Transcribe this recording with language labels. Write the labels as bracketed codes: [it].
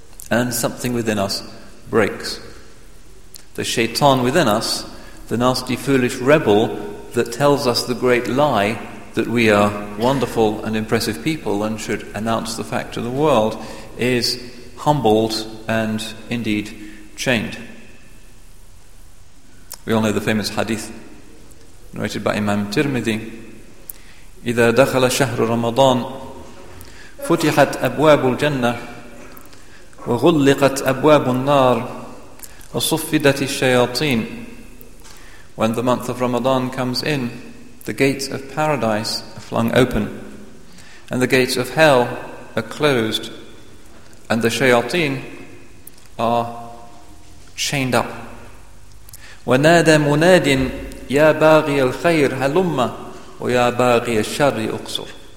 [en] And something within us breaks. The shaitan within us, the nasty, foolish rebel that tells us the great lie that we are wonderful and impressive people and should announce the fact to the world, is humbled and indeed chained. We all know the famous hadith narrated by Imam Tirmidhi: [ar] إِذَا دَخَلَ شَهْرُ رَمَضَانَ فُتِحَتْ أَبْوَابُ الْجَنَّةِ وَغُلِّقَتْ أَبْوَابُ النَّارِ وَصُفِّدَتِ الشَّيَاطِينَ. [en] When the month of Ramadan comes in, the gates of paradise are flung open, and the gates of hell are closed, and the shayateen are chained up. [ar] وَنَادَ مُنَادٍ يَا بَاغِيَ الْخَيْرِ هَلُمَّ وَيَا بَاغِيَ الشَّرِّ اُقْصُرِ.